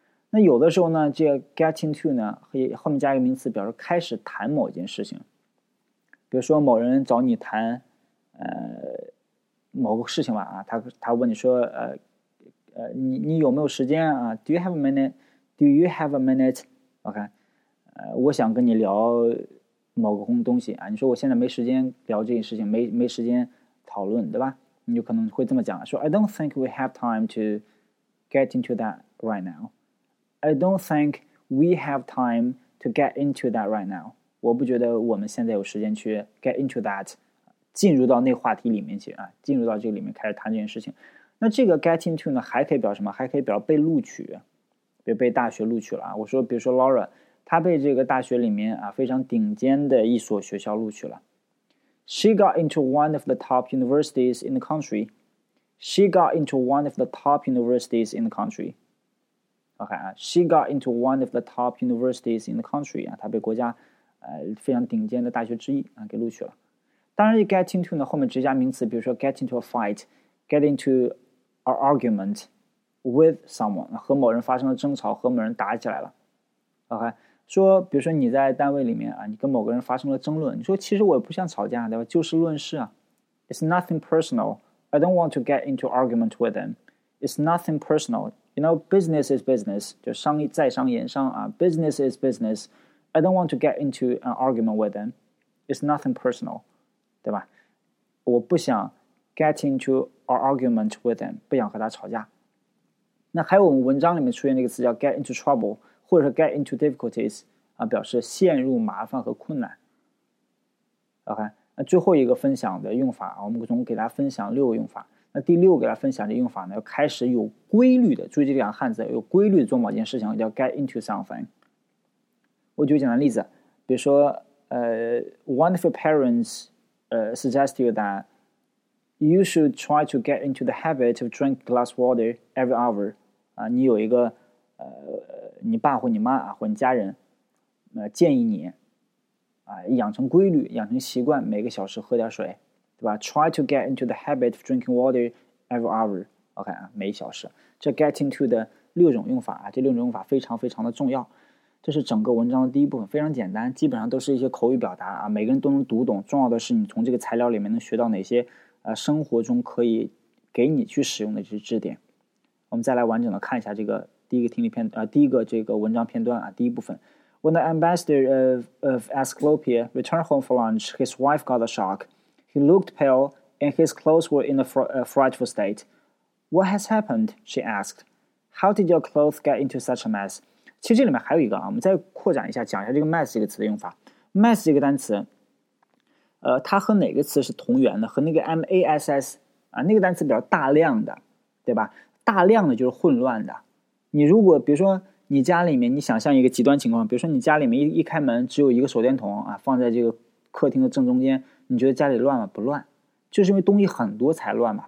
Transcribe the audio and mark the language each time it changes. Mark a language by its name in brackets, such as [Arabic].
[Chinese] 那有的时候呢，这个 get into 呢，可以后面加一个名词表示开始谈某件事情，比如说某人找你谈某个事情吧啊，他问你说你有没有时间啊 ？ [English] Do you have a minute? Do you have a minute? [Chinese] OK, 我想跟你聊某个东西啊。你说我现在没时间聊这件事情，没时间讨论，对吧？你就可能会这么讲，说 [English] I don't think we have time to get into that right now. I don't think we have time to get into that right now. [Chinese] 我不觉得我们现在有时间去 [English] get into that. [Chinese] 进入到那话题里面去啊，进入到这个里面开始谈这件事情。那这个 get into 呢，还可以表什么？还可以表被录取，比如被大学录取了。我说，比如说 Laura, 她被这个大学里面啊非常顶尖的一所学校录取了。 [English] She got into one of the top universities in the country. She got into one of the top universities in the country. OK 啊 ，She got into one of the top universities in the country 啊， [Chinese] 她被国家非常顶尖的大学之一啊给录取了。当然 [English] get into 呢后面直接加名词，比如说 get into a fight, get into an argument with someone, [Chinese] 和某人发生了争吵，和某人打起来了。 OK, 说比如说你在单位里面啊，你跟某个人发生了争论，你说其实我也不想吵架，对吧，就事论事啊。 [English] It's nothing personal, I don't want to get into argument with them. It's nothing personal, you know, business is business, [Chinese] 就商业在商言商啊， [English] business is business, I don't want to get into an argument with them. It's nothing personal. [Chinese] 对吧，我不想 [English] get into an argument with them, [Chinese] 不想和他吵架。那还有我们文章里面出现那个词叫 get into trouble, 或者是 get into difficulties, 啊表示陷入麻烦和困难。 OK, 那最后一个分享的用法，我们总共给大家分享六个用法。那第六个给大家分享的用法呢，要开始有规律的，注意这两个汉字，有规律的做某件事情叫 get into something。我举简单例子，比如说 [English] one of your parents,suggest you that you should try to get into the habit of drink glass water every hour. [Chinese] 啊，你有一个你爸或你妈啊或你家人建议你养成规律，养成习惯，每个小时喝点水，对吧 ？ [English] Try to get into the habit of drinking water every hour. [Chinese] OK 啊，每小时。这 get into 的六种用法啊，这六种用法非常非常的重要。这是整个文章的第一部分，非常简单，基本上都是一些口语表达啊，每个人都能读懂。重要的是你从这个材料里面能学到哪些生活中可以给你去使用的这些知识点。我们再来完整的看一下这个第一个听力片第一个这个文章片段啊，第一部分。 [English] When the ambassador of Asclepia returned home for lunch, his wife got a shock. He looked pale, and his clothes were in a frightful state. What has happened? She asked. How did your clothes get into such a mess? [Chinese] 其实这里面还有一个啊，我们再扩展一下，讲一下这个 mess 这个词的用法。 mess 这个单词，它和哪个词是同源的？和那个 mass 啊，那个单词比较大量的，对吧？大量的就是混乱的。你如果比如说，你家里面，你想象一个极端情况，比如说你家里面一开门只有一个手电筒啊，放在这个客厅的正中间，你觉得家里乱吗？不乱，就是因为东西很多才乱嘛。